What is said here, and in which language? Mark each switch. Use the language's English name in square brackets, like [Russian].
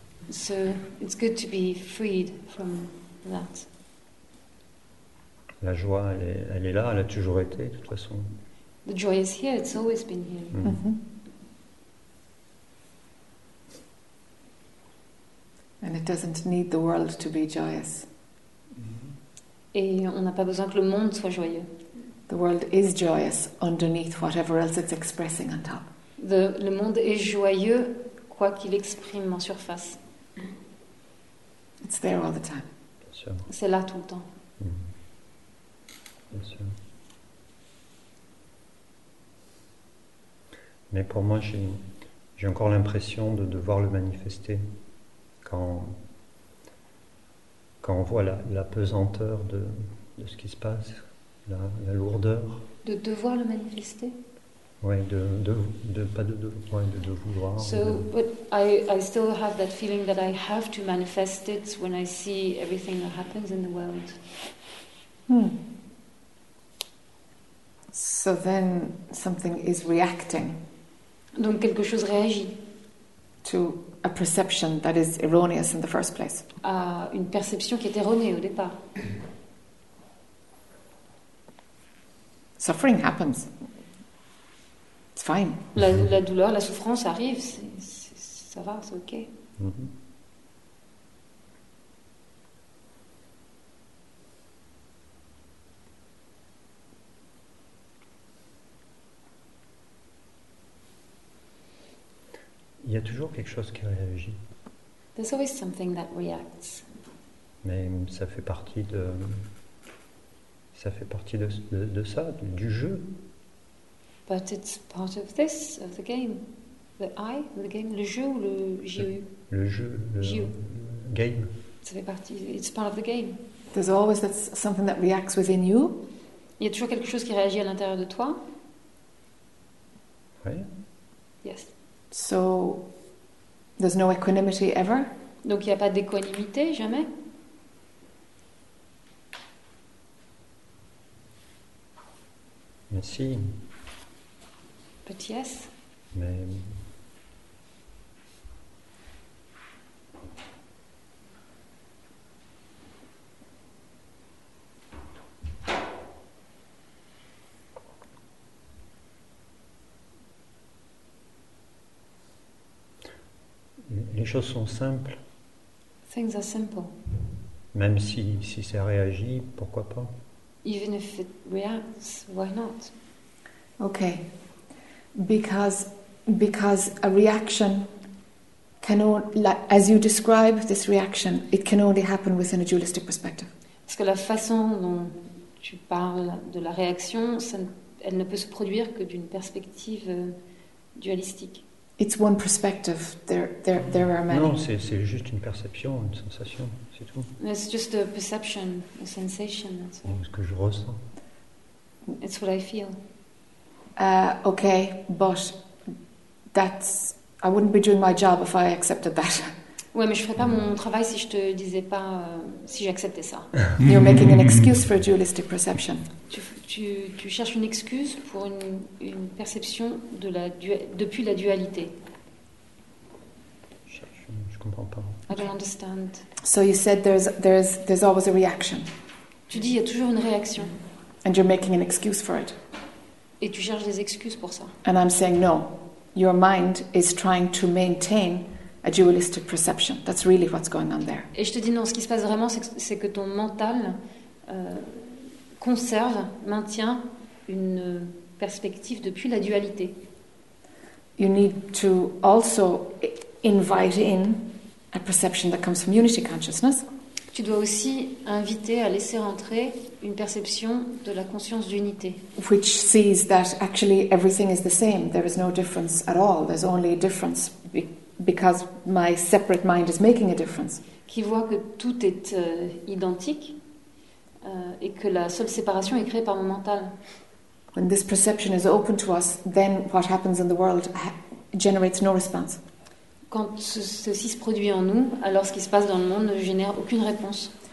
[English] So it's good to be freed from that. [French] La joie, elle est là, elle a toujours été, de toute façon. [English] The joy is here, it's always been here. Mm-hmm. Mm-hmm. And it doesn't need the world to be joyous. Mm-hmm. [French] Et on n'a pas besoin que le monde soit joyeux. [English] The world is joyous underneath whatever else it's expressing on top. [French] Le monde est joyeux quoi qu'il exprime en surface. [English] It's there all the time. [French] C'est là tout le temps. Mm-hmm. Bien sûr. Mais pour moi, j'ai encore l'impression de devoir le manifester quand on voit la pesanteur de ce qui se passe, la lourdeur. De devoir le manifester. Ouais, de vouloir. [English] So, but I still have that feeling that I have to manifest it when I see everything that happens in the world. Hmm. So then something is reacting. [French] Donc quelque chose réagit. [English] To a perception that is erroneous in the first place. [French] À une perception qui est erronée au départ. [English] Suffering happens. It's fine. [French] La douleur, la souffrance arrive, ça va, c'est ok. Mm-hmm. Il y a toujours quelque chose qui réagit. [English] There's always something that reacts. [French] Mais ça fait partie de ça, du jeu. [English] But it's part of this, of the game. The game, [French] le jeu ou le jeu? Le jeu, le jeu. [English] Game. [French] Ça fait partie, [English] it's part of the game. There's always that something that reacts within you. [French] Il y a toujours quelque chose qui réagit à l'intérieur de toi. Oui. [English] Yes. So, there's no equanimity ever. [French] Donc il n'y a pas d'équanimité, jamais. Mais si... [English] But yes. [French] Les choses sont simples. [English] Things are simple. [French] Même si ça réagit, pourquoi pas? [English] Even if it reacts, why not? Okay. Because a reaction can only, as you describe this reaction, it can only happen within a dualistic perspective. [French] Parce que la façon dont tu parles de la réaction, elle ne peut se produire que d'une perspective dualistique. [English] It's one perspective. There are many. [French] Non, c'est juste une perception, une sensation, c'est tout. [English] It's just a perception, a sensation. [French] Ou ce que je ressens. [English] It's what I feel. Okay, but I wouldn't be doing my job if I accepted that. [French] Oui, mais je ne ferais pas mon travail si je te disais pas, si j'acceptais ça. [English] You're making an excuse for a dualistic perception. [French] Tu cherches une excuse pour une perception de la depuis la dualité. Je comprends pas. [English] I don't understand. So you said there's always a reaction. [French] Tu dis il y a toujours une réaction. [English] And you're making an excuse for it. [French] Et tu cherches des excuses pour ça. [English] And I'm saying no. Your mind is trying to maintain a dualistic perception. That's really what's going on there. [French] Et je te dis non, ce qui se passe vraiment, c'est que ton mental conserve, maintient une perspective depuis la dualité. [English] You need to also invite in a perception that comes from unity consciousness. [French] Tu dois aussi inviter à laisser entrer une perception de la conscience d'unité. [English] Which sees that actually everything is the same. There is no difference at all. There's only a difference because my separate mind is making a difference. [French] Qui voit que tout est identique et que la seule séparation est créée par mon mental. [English] When this perception is open to us, then what happens in the world generates no response. [French] Quand ceci se produit en nous, alors ce qui se passe dans le monde ne génère aucune réponse.